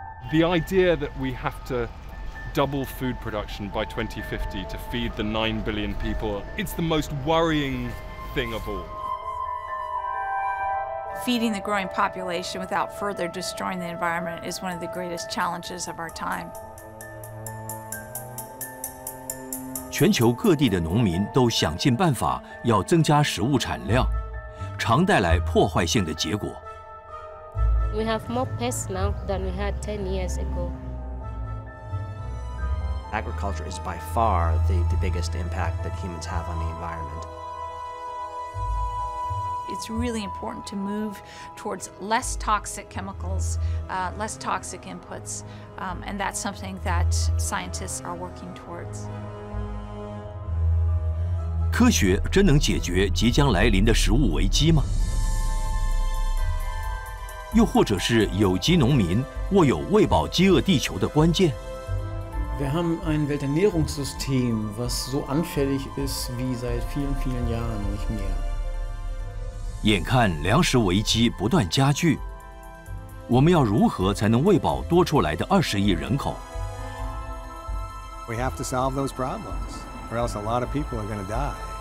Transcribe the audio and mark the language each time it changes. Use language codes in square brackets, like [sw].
[en] The idea that we have to double food production by 2050 to feed the 9 billion people, it's the most worrying thing of all. Feeding the growing population without further destroying the environment is one of the greatest challenges of our time. [zh] 全球各地的农民都想尽办法要增加食物产量，常带来破坏性的结果。 [en] We have more pests now than we had 10 years ago. Agriculture is by far the biggest impact that humans have on the environment. It's really important to move towards less toxic chemicals, less toxic inputs, and that's something that scientists are working towards. [zh] 科学真能解决即将来临的食物危机吗？又或者是有机农民握有喂饱饥饿地球的关键？ [de] Wir haben ein Welternährungssystem, was so anfällig ist wie seit vielen, vielen Jahren nicht mehr. [zh] 眼看粮食危机不断加剧，我们要如何才能喂饱多出来的20亿人口？ [en] We have to solve those problems, or else a lot of people are going to die.